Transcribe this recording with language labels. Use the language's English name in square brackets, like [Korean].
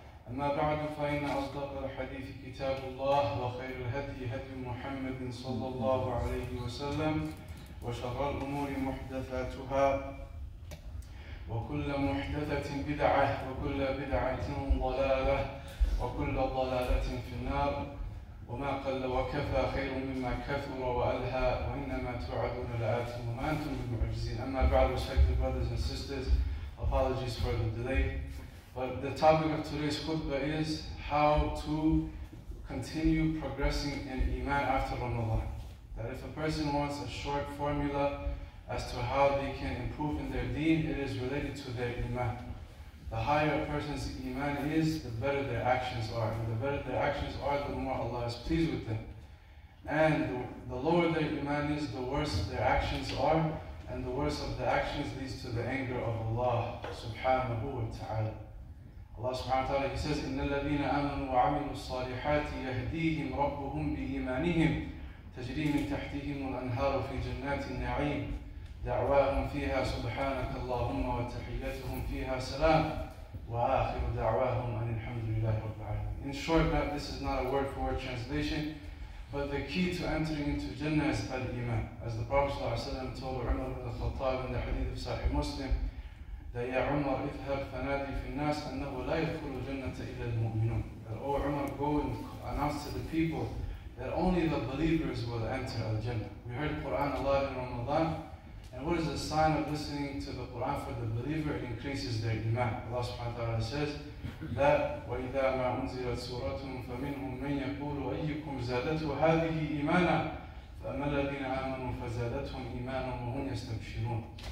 [Arabic] أما بعد، فإن أصدق الحديث كتاب الله وخير الهدي هدي محمد صلى الله عليه وسلم وشر الأمور محدثاتها وكل محدثة بدعة وكل بدعة ضلالة وكل ضلالة في النار. وما قل وكفى خير مما كثر وألهى وإنما توعدون لآت وما أنتم بمعجزين. أما بعد، [English] respected brothers and sisters, apologies for the delay. But the topic of today's khutbah is how to continue progressing in Iman after Ramadan. That if a person wants a short formula as to how they can improve in their deen, it is related to their Iman. The higher a person's iman is, the better their actions are. And the better their actions are, the more Allah is pleased with them. And the lower their iman is, the worse their actions are. And the worse of the actions leads to the anger of Allah subhanahu wa ta'ala. Allah subhanahu wa ta'ala, He says, [Arabic] إِنَّ الَّذِينَ آمَنُوا وَعَمِلُوا الصَّالِحَاتِ يَهْدِيهِمْ رَبُّهُمْ بِإِيمَانِهِمْ تَجْرِي مِنْ تَحْتِهِمُ الْأَنْهَارُ فِي جَنَّاتِ النَّعِيمِ دعواهم فيها سبحانك اللهم وتحياتهم فيها سلام وآخر دعواهم أن الحمد لله رب العالمين. [English] In short, this is not a word-for-word translation, but the key to entering into Jannah is al-Iman. As the Prophet [Arabic] صلى الله عليه وسلم [English] told Umar ibn al-Khattab in the hadith of Sahih Muslim, that [Arabic] يا عمر اذهب فنادي في الناس أنه لا يدخل الجنة إلا المؤمنون. [English] That oh Umar, go and announce to the people that only the believers will enter al-Jannah. We heard Quran a lot in Ramadan, And what is the sign of listening to the Quran for the believer? It increases their iman. Allah subhanahu wa ta'ala says that [Arabic] وَإِذَا مَا أُنزِلَتْ سُورَةٌ فَمِنْهُمْ مَنْ يَقُولُ أَيُّكُمْ زَادَتْهُ هَذِهِ إِيمَانًا فَأَمَا الَّذِينَ آمَنُوا فَزَادَتْهُمْ إِيمَانًا وَهُمْ يَسْتَبْشِرُونَ.